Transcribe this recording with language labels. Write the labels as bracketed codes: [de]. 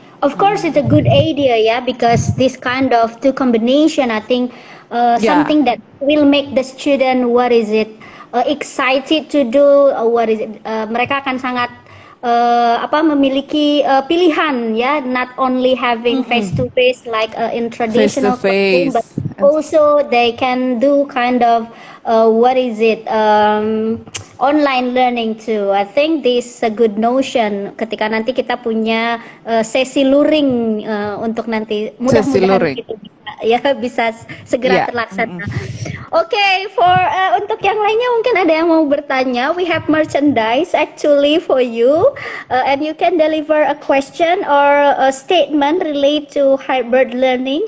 [en] Of course, it's a good idea, yeah, because this kind of two combination, I think, something that will make the student, what is it, excited to do, what is it, [id] mereka akan sangat memiliki pilihan, ya, [en] not only having face to face like in traditional classroom, but also they can do kind of online learning too. I think this a good notion. [id] Ketika nanti kita punya sesi luring untuk nanti mudah-mudahan gitu, ya bisa segera terlaksana. [en] Okay, for [id] untuk yang lainnya mungkin ada yang mau bertanya. [en] We have merchandise actually for you, and you can deliver a question or a statement relate to hybrid learning.